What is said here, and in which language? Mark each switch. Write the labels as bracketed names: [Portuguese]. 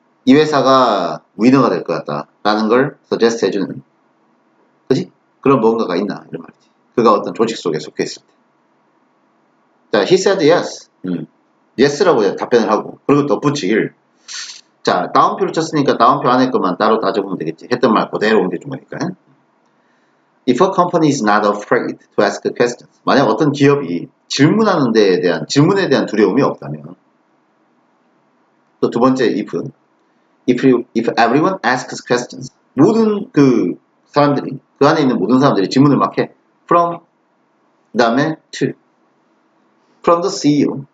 [Korean] 이 회사가 위너가 될것 같다라는 걸 suggest해주는, 그지? 그런 뭔가가 있나? 이런 말이지. 그가 어떤 조직 속에 속해 있을 때. 자, [English] he said yes. [Korean] yes라고 답변을 하고, 그리고 덧붙이길. 자, 다운표를 쳤으니까 다운표 안에 것만 따로 따져보면 되겠지. 했던 말 그대로 옮겨준 거니까. [English] If a company is not afraid to ask questions. [Korean] 만약 어떤 기업이 질문하는 데에 대한, 질문에 대한 두려움이 없다면. 또두 번째, [English] if everyone asks questions. [Korean] 모든 그 사람들이, 그 안에 있는 모든 사람들이 질문을 막 해. [English] From, [Korean] 그 다음에 [English] to. From the CEO.